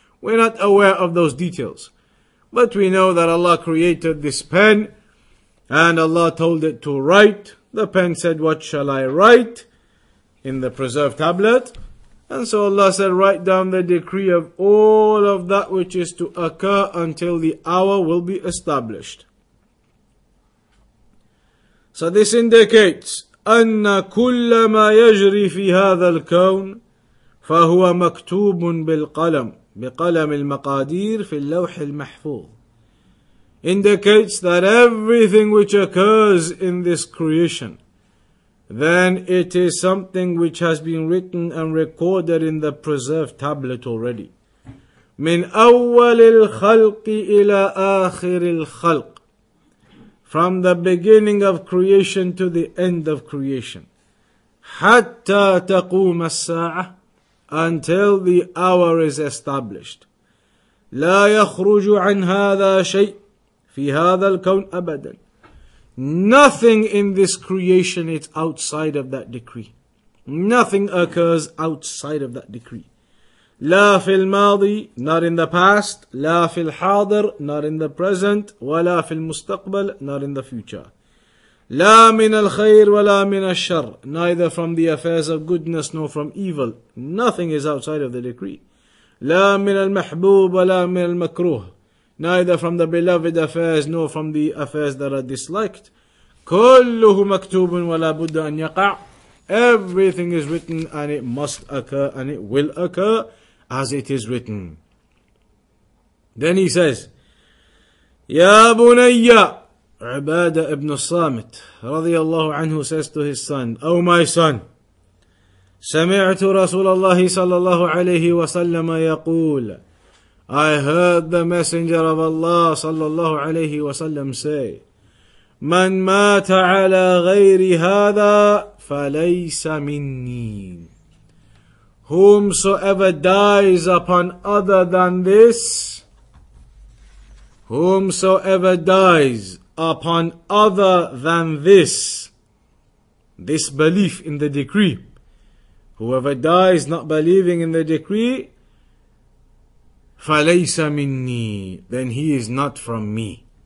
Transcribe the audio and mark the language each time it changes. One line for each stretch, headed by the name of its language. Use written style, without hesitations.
English: We're not aware of those details. But we know that Allah created this pen and Allah told it to write. The pen said, what shall I write? In the preserved tablet. And so Allah said, write down the decree of all of that which is to occur until the hour will be established. So this indicates,
Arabic: أَنَّ كُلَّ مَا يَجْرِي فِي هَذَا الْكَوْنِ فَهُوَ مَكْتُوبٌ بِالْقَلَمِ بِقَلَمِ الْمَقَادِيرِ فِي اللَّوْحِ الْمَحْفُوظِ.
English: Indicates that everything which occurs in this creation, then it is something which has been written and recorded in the preserved tablet already.
Arabic: مِنْ أَوَّلِ الْخَلْقِ إِلَىٰ آخِرِ الْخَلْقِ.
English: From the beginning of creation to the end of creation.
Arabic: حَتَّى تَقُومَ السَّاعَةِ.
English: Until the hour is established.
Arabic: لَا يَخْرُجُ عَنْ هَذَا شَيْءٍ فِي هَذَا الْكَوْنِ أَبَدًا.
English: Nothing in this creation is outside of that decree. Nothing occurs outside of that decree.
Arabic: لا في الماضي,
English: not in the past.
Arabic: لا في الحاضر,
English: not in the present.
Arabic: ولا في المستقبل,
English: not in the future.
Arabic: لا من الخير ولا من الشر.
English: Neither from the affairs of goodness nor from evil. Nothing is outside of the decree.
Arabic: لا من المحبوب ولا من المكروه.
English: Neither from the beloved affairs nor from the affairs that are disliked.
Arabic: كله مكتوب ولا بد أن يقع.
English: Everything is written and it must occur and it will occur as it is written. Then he says,
Arabic: يا بني عبادة ابن الصامت رضي الله عنه
English: says to his son, Oh my son,
Arabic: سمعت رسول الله صلى الله عليه وسلم يقول,
English: I heard the messenger of Allah
Arabic: صلى الله عليه وسلم
English: say,
Arabic: من مات على غير هذا فليس مني.
English: Whomsoever dies upon other than this, whomsoever dies upon other than this, this belief in the decree, whoever dies not believing in the decree,
Arabic: فَلَيْسَ مِنِّي,
English: then he is not from me.